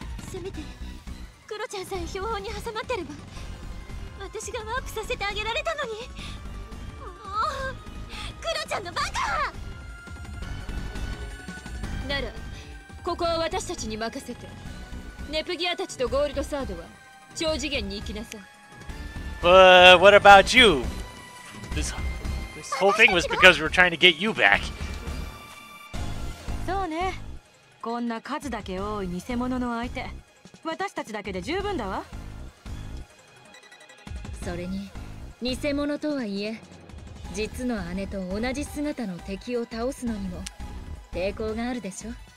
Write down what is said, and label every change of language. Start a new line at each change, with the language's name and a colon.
Japanese: せめてクロちゃんさえ標本に挟まってれば、私がワープさせてあげられたのに。もうクロちゃんのバカ。ならここは私たちに任せて、ネプギアたちとゴールドサードは超次元に行きなさい。
English: What about you? This whole thing was because we were trying to get you back.
Japanese: そうね。こんな数だけ多い偽物の相手、私たちだけで十分だわ。それに偽物とはいえ、実の姉と同じ姿の敵を倒すのにも抵抗があるでしょ。